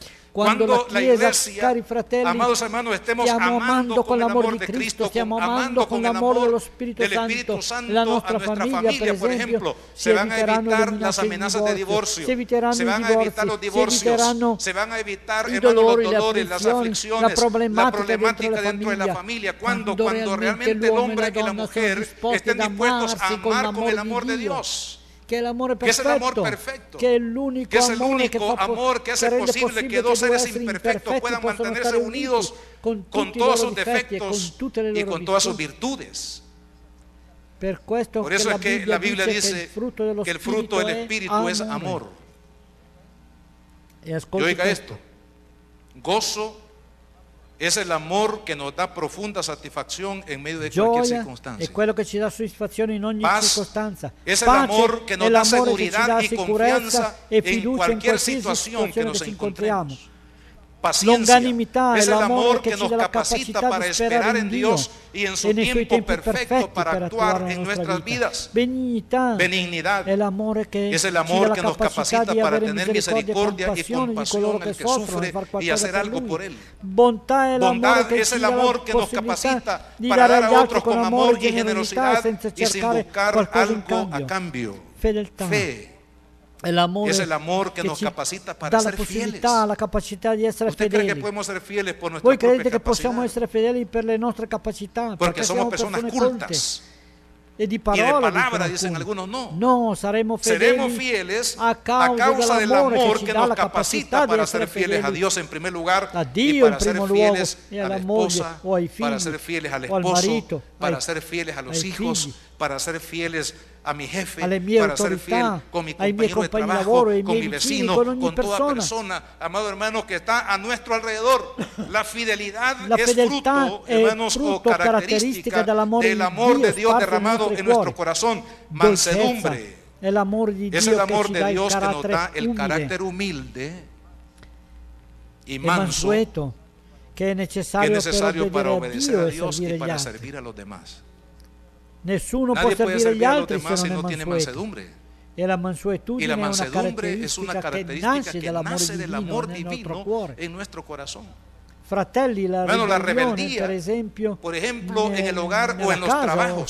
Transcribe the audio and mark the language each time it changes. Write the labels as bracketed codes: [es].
[it] Quando la Chiesa, cari fratelli, stiamo amando con l'amore di Cristo, stiamo amando con l'amore dello Spirito Santo la nostra famiglia, per esempio, si eviteranno le minacce di divorzio, si eviteranno i divorzi, si eviteranno i dolori, le afflizioni, la problematica dentro la famiglia. Quando realmente l'uomo e la [es] mujer estén dispuestos a amar con el amor de Dios, [it] che è l'amore perfetto, che è l'unico amore che fa che rende possibile che due esseri imperfetti possano stare uniti con tutti i loro difetti e con tutte le loro virtù. Per questo che la Bibbia dice che il frutto dello Spirito è amore. E ascolti questo. [es] Gozo es el amor que nos da profunda satisfacción en medio de cualquier circunstancia. [it] Es quello che ci dà soddisfazione in ogni circostanza. [es] Es el amor que nos da seguridad y confianza [it] e fiducia in qualsiasi situazione che ci incontriamo. Longanimità è l'amore che ci dà la capacità di sperare in Dio e nei suoi tempi perfetti per attuare in nostre vite. Benignità è l'amore che ci dà la capacità di avere misericordia e compassione di coloro che soffrono e far qualcosa per lui. Bontà è l'amore che ci dà la possibilità di dare agli altri con amore e generosità senza cercare qualcosa in cambio. Fedeltà. [es] Es el amor que nos capacita para ser fieles. La capacidad de ser fieles. ¿Usted cree que podemos ser fieles por nuestra propia capacidad? Que podemos ser fieles por nuestra capacidad? Porque somos personas cultas. [it] e di parola, [es] y de palabra, dicen algunos, no. No, seremos fieles a causa del amor que nos capacita para ser fieles a Dios en primer lugar, [it] a Dio [es] y para ser fieles a la esposa, para ser fieles al esposo, para ser fieles a los hijos, para ser fieles a mi jefe, para ser fiel con mi compañero de trabajo, con mi vecino, con toda persona, amado hermano, que está a nuestro alrededor. La fidelidad la es fruto, hermanos, fruto, o característica del amor de Dios derramado en nuestro corazón. Mansedumbre el amor de Dios es el amor de Dios que nos da el carácter humilde y manso que es necesario, para obedecer a Dios y para servir a los demás. [it] Nessuno [es] Nadie [it] può servire gli altri se non è mansueto. E la mansuetudine è una caratteristica che nasce dell'amore divino nel nostro cuore. [es] En nuestro corazón. [it] Fratelli, la [es] rebeldia, [it] per esempio, [es] en el hogar o en los trabajos,